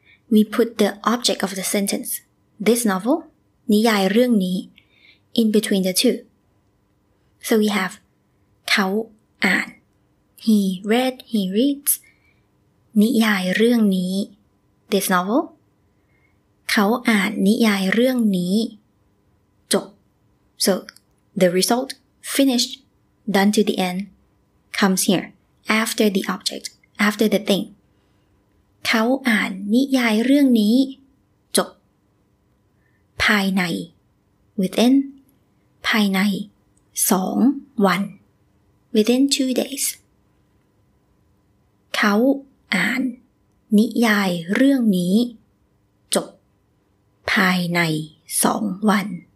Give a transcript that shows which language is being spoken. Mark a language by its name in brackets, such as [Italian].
[English] We put the object of the sentence, this novel, [Thai] นิยายเรื่องนี้, [English] in between the two. So we have, [Thai] เขาอ่าน, [English] he read, he reads, [Thai] นิยายเรื่องนี้, [English] this novel. [Thai] เขาอ่านนิยายเรื่องนี้, จบ. [English] So the result, finished, done to the end, comes here, after the object. After the thing [Thai] เขาอ่านนิยายเรื่องนี้จบภายใน within ภายใน2 วัน [English] within 2 days [Thai] เขาอ่านนิยายเรื่องนี้จบภายใน2 วัน